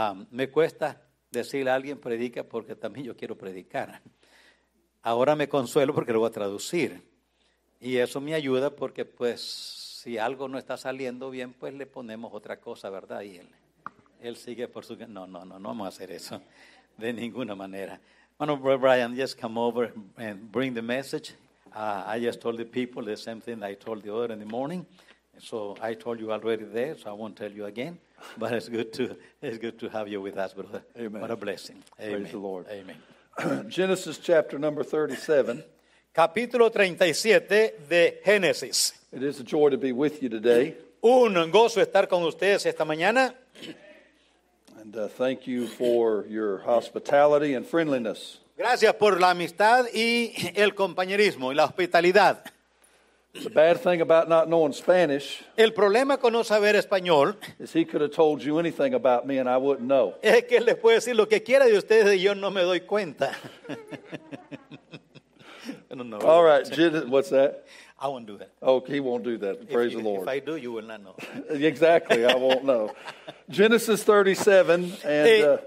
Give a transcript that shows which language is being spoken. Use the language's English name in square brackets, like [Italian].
[Spanish] Me cuesta decirle a alguien predica porque también yo quiero predicar. Ahora me consuelo porque lo voy a traducir. Y eso me ayuda porque, pues, si algo no está saliendo bien, pues le ponemos otra cosa, ¿verdad? Y él sigue por su... No vamos a hacer eso de ninguna manera. [English] Bueno, Brian, just come over and bring the message. I just told the people the same thing I told the other in the morning. So I told you already there, so I won't tell you again. But it's good to have you with us, brother. Amen. What a blessing. Amen. Praise the Lord. Amen. Genesis chapter number 37. [Spanish] Capítulo 37 de Génesis. [English] It is a joy to be with you today. [Spanish] Un gozo estar con ustedes esta mañana. [English] And thank you for your hospitality and friendliness. [Spanish] Gracias por la amistad y el compañerismo y la hospitalidad. [English] The bad thing about not knowing Spanish. [Spanish] El problema con no saber español. [English] Is he could have told you anything about me and I wouldn't know. [Spanish] Es que él les puede decir lo que quiera de ustedes y yo no me doy cuenta. [English] All right, what's that? I won't do that. Okay, he won't do that. Praise the Lord. If I do, you will not know. Exactly, I won't know. Genesis 37 and